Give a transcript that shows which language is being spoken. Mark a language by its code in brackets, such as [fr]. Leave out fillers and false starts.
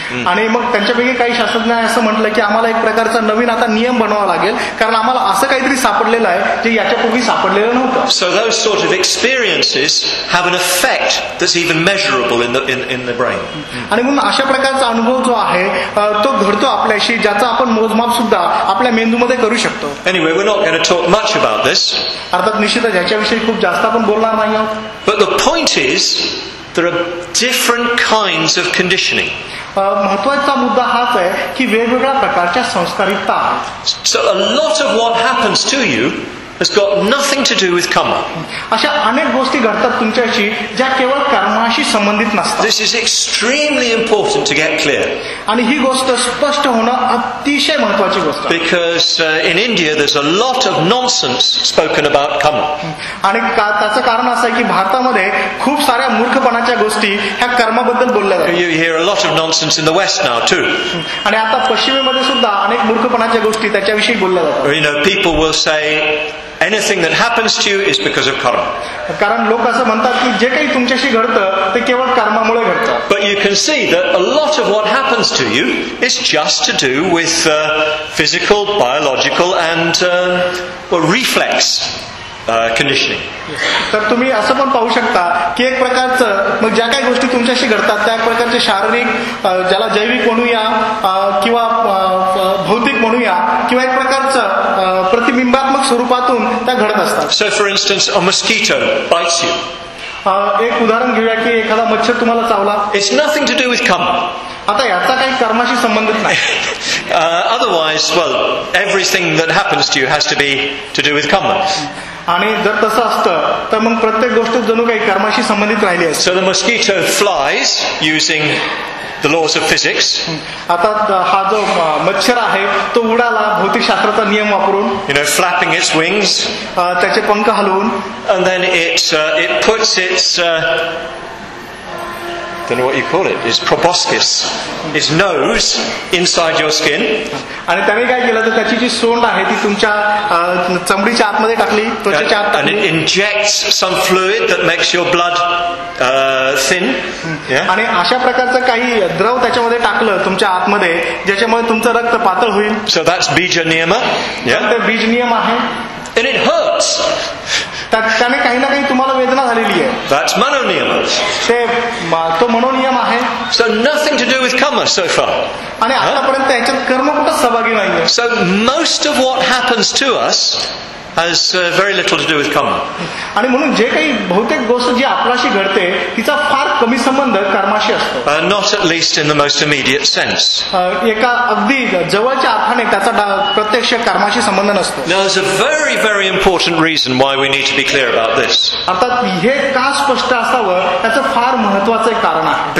[mr] आणि मग त्यांच्यापैकी काही शास्त्रज्ञांनी असं म्हटलं की आम्हाला एक प्रकारचा नवीन आता नियम बनवावा लागेल कारण आम्हाला असं काहीतरी सापडलेलं आहे जे याच्यापूर्वी सापडलेलं नव्हतं. [en] So those sort of experiences have an effect that's even measurable in the brain. [mr] आणि म्हणून अशा प्रकारचा अनुभव जो आहे तो घडतो आपल्याशी ज्याचा आपण मोजमाप सुद्धा आपल्या मेंदूमध्ये करू शकतो. [en] Anyway, we're not going to talk much about this. [mr] अर्थात निश्चितच याच्याविषयी खूप जास्त आपण बोलणार नाही आहोत. [en] But the point is, there are different kinds of conditioning. [mr] महत्त्वाचा मुद्दा हाच आहे की वेगवेगळ्या प्रकारच्या संस्कारिता. [en] So a lot of what happens to you has got nothing to do with karma. [mr] अशा अनेक गोष्टी घडतात तुमच्याशी ज्या केवळ कर्माशी संबंधित नसतात. [en] This is extremely important to get clear. [mr] आणि ही गोष्ट स्पष्ट होणं अतिशय महत्त्वाची गोष्ट. [en] Because in India there's a lot of nonsense spoken about karma. [mr] आणि त्याचं कारण असं आहे की भारतामध्ये खूप साऱ्या मूर्खपणाच्या गोष्टी ह्या कर्माबद्दल बोलल्या जातात. [en] You hear a lot of nonsense in the West now too. [mr] आणि आता पश्चिमेमध्ये सुद्धा अनेक मूर्खपणाच्या गोष्टी त्याच्याविषयी बोलल्या जातात. [en] You know, people will say anything that happens to you is because of karma. [mr] कारण लोक असं म्हणतात की जे काही तुमच्याशी घडतं ते केवळ कर्मामुळे घडतं. [en] But you can see that a lot of what happens to you is just to do with physical, biological and reflex conditioning. [mr] तर तुम्ही असं पण पाहू शकता की एक प्रकारचं मग ज्या काही गोष्टी तुमच्याशी घडतात त्या प्रकारचे शारीरिक ज्याला जैविक म्हणूया किंवा भौतिक म्हणूया किंवा एक प्रकारचं प्रतिबिंबात्मक स्वरूपातून त्या घडत असतात. [en] So for instance, a mosquito bites you. [mr] एक उदाहरण घेऊया की एखादा मच्छर तुम्हाला चावला. [en] It's nothing to do with karma. [mr] आता याचा काही कर्माशी संबंधित नाही. [en] Otherwise, well, everything that happens to you has to be to do with karma. [mr] आणि जर तसं असतं तर मग प्रत्येक गोष्ट जणू काही कर्माशी संबंधित राहिली असते. [en] So the mosquito flies using the laws of physics. [mr] आता हा जो मच्छर आहे तो उडाला भौतिकशास्त्राचा नियम वापरून. [en] You know, flapping its wings. [mr] त्याचे पंख हलवून. [en] And then it puts its don't know what you call it, it's proboscis, his nose inside your skin. And it injects some fluid that makes your blood thin. [mr] आणि अशा प्रकारचं काही द्रव त्याच्यामध्ये टाकलं तुमच्या आतमध्ये ज्याच्यामुळे तुमचं रक्त पातळ होईल. [en] So that's Bija Niyama. [mr] बीज नियम आहे. [en] And it hurts. [mr] त्याने काही ना काही तुम्हाला वेदना झालेली आहे. [en] That's Manoniyama. [mr] ते तो मनोनियम आहे. [en] So nothing to do with karma so far. [mr] आणि आतापर्यंत त्याच्यात कर्म कुठं सहभागी नाही. [en] So most of what happens to us has very little to do with karma. [mr] आणि म्हणून जे काही बहुतेक गोष्ट जी आपल्याशी घडते तिचा फार कमी संबंध कर्माशी असतो. [en] Not at least in the most immediate sense. [mr] एका अगदी जवळच्या अर्थाने त्याचा प्रत्यक्ष कर्माशी संबंध नसतो. [en] There is a very very important reason why we need to be clear about this. [mr] अर्थात हे का स्पष्ट असावं त्याचं फार महत्त्वाचं कारण आहे.